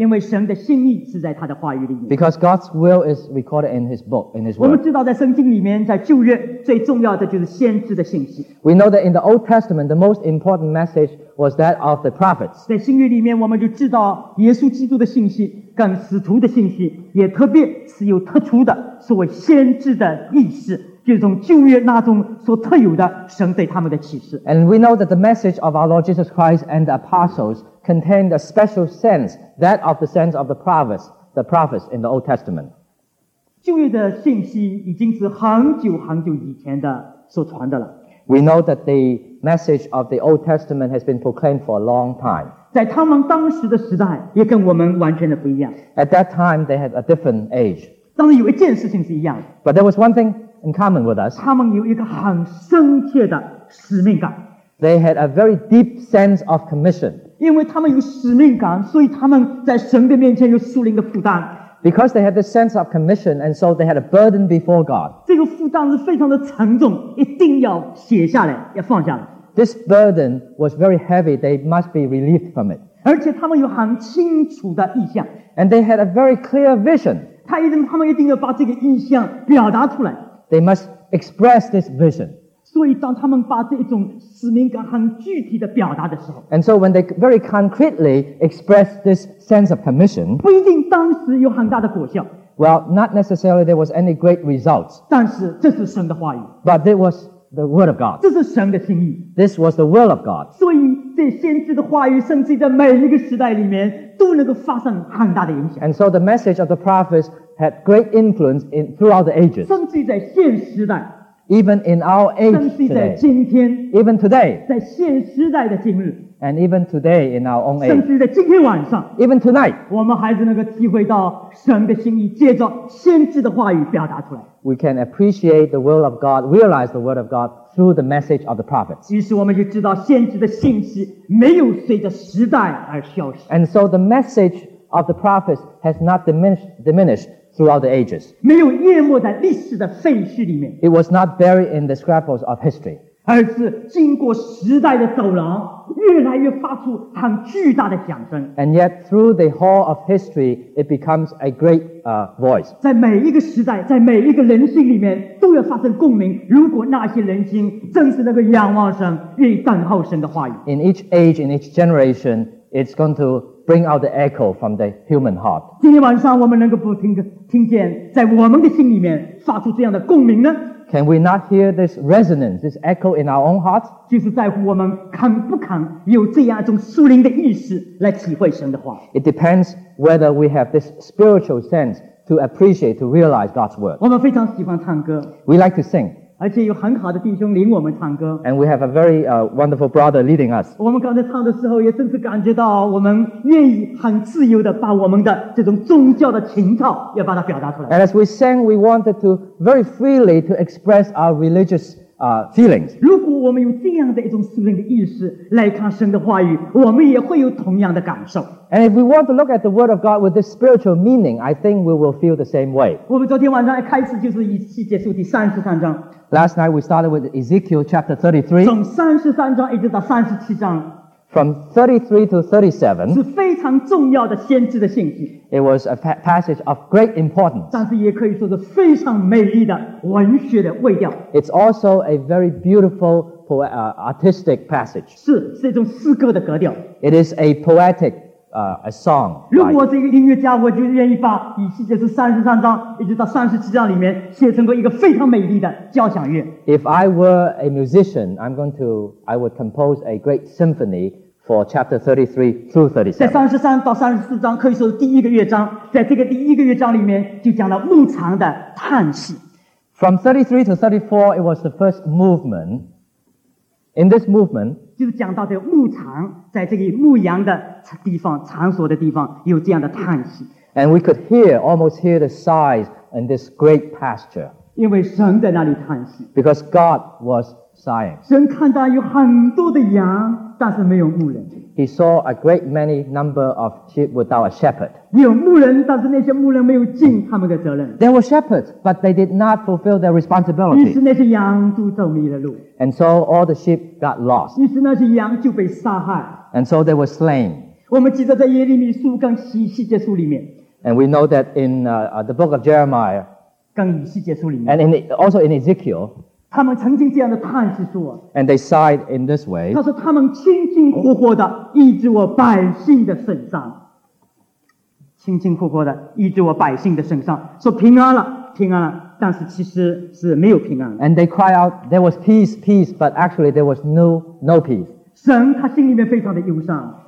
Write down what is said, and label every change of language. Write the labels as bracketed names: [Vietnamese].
[Chinese] 因为神的心意是在他的话语里面。 [English] Because God's will is recorded in his book, in his word. [Chinese] 我们知道在圣经里面，在旧约最重要的就是先知的信息。 [English] We know that in the Old Testament, the most important message was that of the prophets. [Chinese] 在新约里面，我们就知道耶稣基督的信息跟使徒的信息，也特别是有特殊的，所谓先知的意思。就是从旧约那种所特有的神对他们的启示。 [English] And we know that the message of our Lord Jesus Christ and the apostles contained a special sense, that of the sense of the prophets in the Old Testament. [Chinese] 旧约的信息已经是很久很久以前的所传的了。 [English] We know that the message of the Old Testament has been proclaimed for a long time. [Chinese] 在他们当时的时代也跟我们完全的不一样。 [English] At that time, they had a different age. [Chinese] 但是有一件事情是一样的。 [English] But there was one thing in common with us. [Chinese] 他们有一个很深切的使命感。 [English] They had a very deep sense of commission. [Chinese] 因为他们有使命感，所以他们在神的面前有属灵的负担。 [English] Because they had this sense of commission, and so they had a burden before God. [Chinese] 这个负担是非常的沉重，一定要写下来，要放下来。 [English] This burden was very heavy. They must be relieved from it. [Chinese] 而且他们有很清楚的意象。 [English] And they had a very clear vision. [Chinese] 他们一定要把这个意象表达出来。 [English] They must express this vision. [Chinese] 所以当他们把这种使命感很具体的表达的时候 [English] And so when they very concretely express this sense of commission [Chinese] 不一定当时有很大的果效 [English] Well, not necessarily there was any great results [Chinese] 但是这是神的话语 [English] But it was the word of God [Chinese] 这是神的心意 [English] This was the will of God [Chinese] 所以这先知的话语甚至在每一个时代里面都能够发生很大的影响 [English] And so the message of the prophets had great influence in, throughout the ages [Chinese] 甚至在现时代 [English] Even in our age today, even today, [Chinese] 在现时代的今日 [English] and even today in our own age, [Chinese] 甚至在今天晚上 [English] even tonight, [Chinese] 我们还是能够体会到神的心意借着先知的话语表达出来 [English] We can appreciate the will of God, realize the word of God through the message of the prophets. [Chinese] 于是我们就知道先知的信息没有随着时代而消失 [English] And so the message of the prophets has not diminished. Throughout the ages. [Chinese] 没有淹没在历史的废墟里面。 [English] It was not buried in the scrapples of history. [Chinese] 而是经过时代的走廊，越来越发出很巨大的响声。 [English] And yet, through the hall of history, it becomes a great, voice. [Chinese] 在每一个时代，在每一个人心里面，都要发生共鸣。如果那些人心正是那个仰望神、愿意等候神的话语。 [English] In each age, in each generation, it's going to bring out the echo from the human heart. [Chinese] 今天晚上我们能够不听见在我们的心里面发出这样的共鸣呢 [English] Can we not hear this resonance, this echo in our own hearts? [Chinese] 就是在乎我们肯不肯有这样一种属灵的意识来体会神的话 [English] It depends whether we have this spiritual sense to appreciate, to realize God's word. [Chinese] 我们非常喜欢唱歌 [English] We like to sing. [Chinese] 而且有很好的弟兄领我们唱歌 [English] And we have a very, wonderful brother leading us. [Chinese] 我们刚才唱的时候也真是感觉到我们愿意很自由地把我们的这种宗教的情操要把它表达出来 [English] And as we sang, we wanted to very freely to express our religious, feelings. [Chinese] 如果我们有这样的一种属灵的意识来看神的话语我们也会有同样的感受 [English] And if we want to look at the word of God with this spiritual meaning, I think we will feel the same way. [Chinese] 我们昨天晚上一开始就是以西结书第33章 [English] Last night we started with Ezekiel chapter 33. [Chinese] 从33章一直到37章 [English] From 33 to 37. [Chinese] 是非常重要的先知的信息。 [English] It was a passage of great importance. [Chinese] 但是也可以说是非常美丽的文学的味调。 [English] It's also a very beautiful artistic passage. [Chinese] 是一种诗歌的格调。 [English] It is a poetic, a song. [Chinese] 如果我是一个音乐家，我就愿意把以西结书33章一直到37章里面写成过一个非常美丽的交响乐。 [English] If I were a musician, I would compose a great symphony for chapter 33 through 37. [Chinese] 在33到34章可以说是第一个乐章，在这个第一个乐章里面就讲了牧场的叹息。 [English] From 33 to 34, it was the first movement. In this movement, [Chinese] 就是讲到这个牧场，在这个牧羊的地方、场所的地方，有这样的叹息。 [English] And we could hear, almost hear the sighs in this great pasture. [Chinese] 因为神在那里叹息。 [English] Because God was sighing. [Chinese] 神看到有很多的羊，但是没有牧人。 [English] He saw a great many number of sheep without a shepherd. [Chinese] 有牧人，但是那些牧人没有尽他们的责任。 [English] There were shepherds, but they did not fulfill their responsibility. [Chinese] 于是那些羊都走迷了路。 [English] And so all the sheep got lost. [Chinese] 于是那些羊就被杀害。 [English] And so they were slain. [Chinese] 我们记得在耶利米书跟西结书里面。 [English] And we know that in the book of Jeremiah. [Chinese] 跟以西结书里面。 [English] And also in Ezekiel. [Chinese] 他们曾经这样的叹息说 [English] And they sighed in this way [Chinese] 他说他们清清活活的医治我百姓的身上清清活活的医治我百姓的身上说平安了平安了但是其实是没有平安 [English] And they cry out there was peace peace but actually there was no peace [Chinese] 神他心里面非常的忧伤